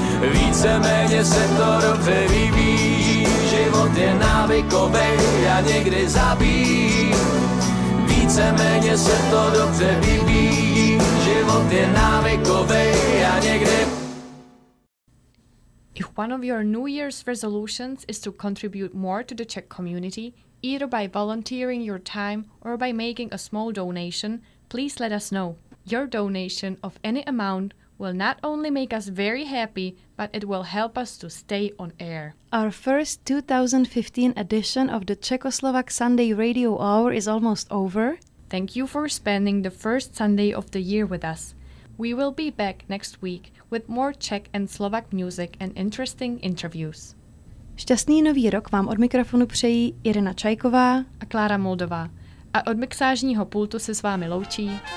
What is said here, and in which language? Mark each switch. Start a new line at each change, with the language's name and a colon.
Czech: Víceméně se to dobře vyvíjí. Život je návykovej a někdy zabíjí. Víceméně se to dobře vybíjí, život je návykovej a někde.
English: If one of your New Year's resolutions is to contribute more to the Czech community, either by volunteering your time or by making a small donation, please let us know. Your donation of any amount will not only make us very happy, but it will help us to stay on air. Our first 2015 edition of the Czechoslovak Sunday Radio Hour is almost over. Thank you for spending the first Sunday of the year with us. We will be back next week with more Czech and Slovak music and interesting interviews.
Czech: Šťastný nový rok vám od mikrofonu přejí Irena Čajková a Klára Moldová. A od mixážního pultu se s vámi loučí